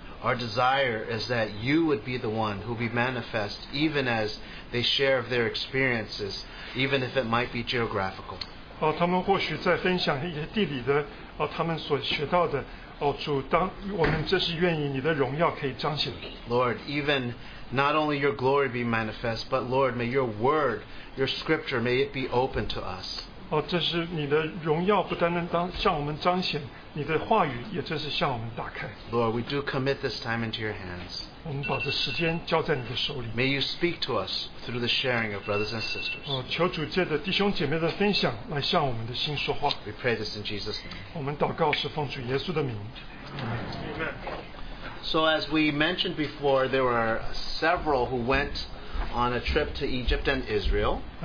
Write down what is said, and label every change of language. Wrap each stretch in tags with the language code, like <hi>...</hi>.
<en>our desire is that you would be the one who be manifest even as they share of their experiences, even if it might be geographical.</en> <zh>他们或许在分享一些地理的, 他们所学到的, 主当, 我们这是愿意你的荣耀可以彰显,</zh> <en>Lord, even not only your glory be manifest, but Lord, may your word, your scripture, may it be open to us.</en> <zh>这是你的荣耀不单单向我们彰显, 你的话语也正是向我们打开。</zh> <en>Lord, we do commit this time into your hands.</en> <zh>我们把这时间交在你的手里。</zh> <en>May you speak to us through the sharing of brothers and sisters.</en> <zh>求主借着弟兄姐妹的分享来向我们的心说话。</zh> <en>We pray this in Jesus' name.</en> <zh>我们祷告是奉主耶稣的名。</zh> <en>So as we mentioned before, there were several who went on a trip to Egypt and Israel.</en>